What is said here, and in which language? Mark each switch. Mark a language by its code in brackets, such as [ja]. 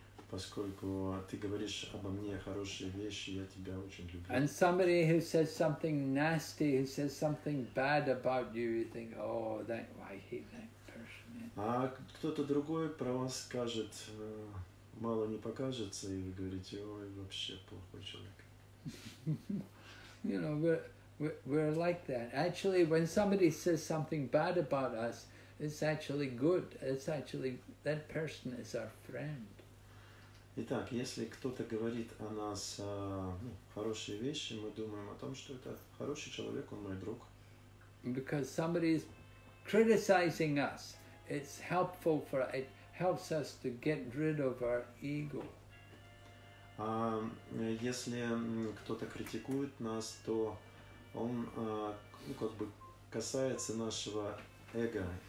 [ru] Поскольку ты говоришь обо мне хорошие вещи, я тебя очень люблю. [en] And somebody who says something nasty, who says something bad about you, you think, oh, that, I hate that person. [ru] А кто-то другой про вас скажет, мало не покажется, и вы говорите, ой, вообще плохой человек. [en] You know, we're like that. Actually, when somebody says something bad about us, it's actually good. It's actually, that person is our friend. [ru] Итак, если кто-то говорит о нас хорошие вещи, мы думаем о том, что это хороший человек, он мой друг. [en] Because somebody is criticizing us, it's helpful for it helps us to get rid of our ego. [ru] А если кто-то критикует нас, то он как бы касается нашего эго.